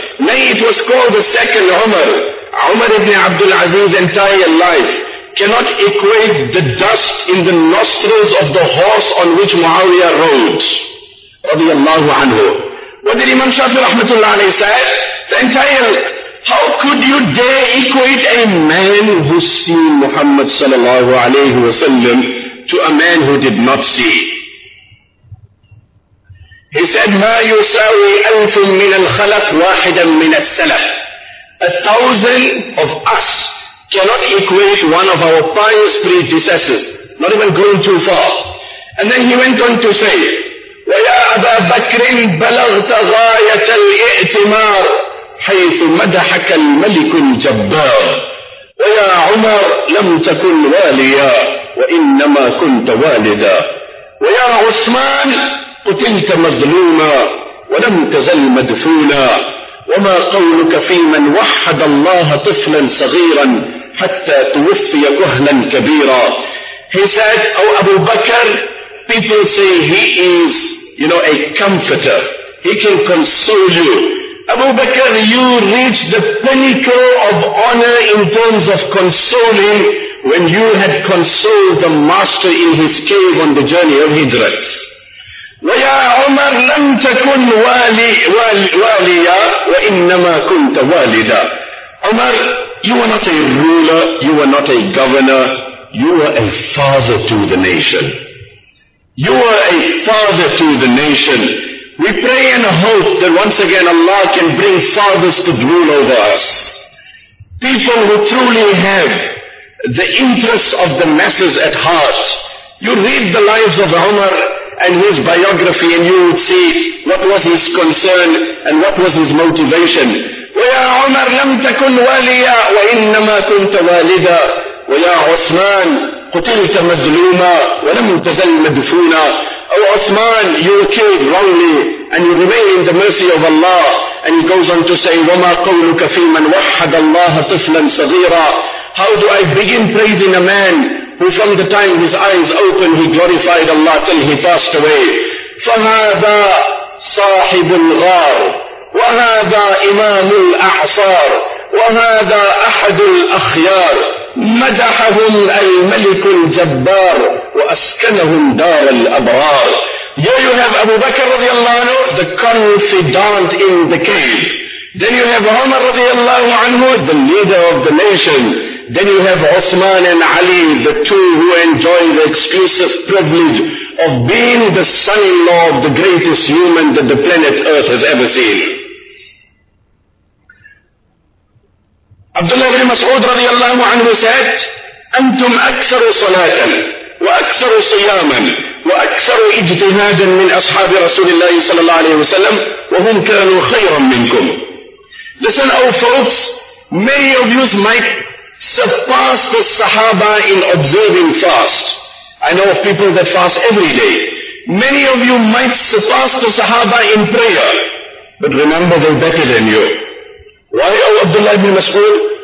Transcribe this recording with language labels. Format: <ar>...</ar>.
<en>Nay, it was called the second Umar. Umar ibn Abdul Aziz's entire life cannot equate the dust in the nostrils of the horse on which Muawiyah rode, radiallahu anhu. What did Imam Shafi rahmatullah alayhi say? The entire, how could you dare equate a man who seen Muhammad sallallahu alayhi wa sallam to a man who did not see? He said,</en> <ar>ما يساوي ألف من الخلف واحدا من السلف.</ar> <en>1,000 of us cannot equate one of our pious predecessors, not even going too far. And then he went on to say,</en> <ar>وَيَا أَبَا بَكْرٍ بَلَغْتَ غَايَةَ الْإِئْتِمَارِ حَيْثُ مَدَحَكَ الْمَلِكُ الْجَبَّارِ وَيَا عُمَرْ لَمْ تَكُنْ وَالِيَا وَإِنَّمَا كُنْتَ وَالِدًا وَيَا عُثْمَانِ قُتِلْتَ مَظْلُومًا وَلَمْ تَزَلْ مَدْفُونًا وما قولك في من وحد الله طفلا صغيرا حتى توفي كهلا كبيرا.</ar> <en>He said, O Abu Bakr, people say he is, you know, a comforter. He can console you. Abu Bakr, you reached the pinnacle of honor in terms of consoling when you had consoled the master in his cave on the journey of Hijrat.</en> <ar>ويا عمر لم تكن والي واليا وانما كنت والدا.</ar> <en>Umar, you were not a ruler, you were not a governor, you were a father to the nation. You were a father to the nation. We pray and hope that once again Allah can bring fathers to rule over us. People who truly have the interests of the masses at heart. You read the lives of Umar and his biography, and you would see what was his concern and what was his motivation.</en> <ar>وَيَا عُمَرْ لَمْ تَكُنْ وَالِيَا وَإِنَّمَا كُنْتَ وَالِدًا وَيَا عُثْمَانْ قُتِلْتَ مَظْلُومًا وَلَمْ تَزَلْ مَدْفُونًا.</ar> <en>Oh Uthman, you were killed wrongly and you remain in the mercy of Allah. And he goes on to say,</en> <ar>وَمَا قَوْلُكَ فِي مَنْ وَحَّدَ اللَّهَ طِفْلًا صَغِيرًا.</ar> <en>How do I begin praising a man who from the time his eyes opened, he glorified Allah till he passed away?</en> <ar>فَهَذَا صَاحِبُ الْغَارِ وَهَذَا إِمَامُ الْأَعْصَارِ وَهَذَا أَحَدُ الْأَخْيَارِ مَدَحَهُمْ الْمَلِكُ الْجَبَّارِ وَأَسْكَنَهُمْ دَارَ الْأَبْرَارِ.</ar> <en>Here you have Abu Bakr radiallahu anhu, the confidant in the cave. Then you have Umar radiallahu anhu, the leader of the nation. Then you have Uthman and Ali, the two who enjoy the exclusive privilege of being the son-in-law of the greatest human that the planet Earth has ever seen. Abdullah ibn Mas'ud radiallahu anhu said,</en> <ar>أنتم أكثر صلاة وأكثر صياما وأكثر اجتهادا من أصحاب رسول الله صلى الله عليه وسلم وهم كانوا خيرا منكم.</ar> <en>Listen, O folks, many of you might surpass the Sahaba in observing fast. I know of people that fast every day. Many of you might surpass the Sahaba in prayer, but remember, they're better than you. Why, O Abdullah ibn Mas'ud?</en>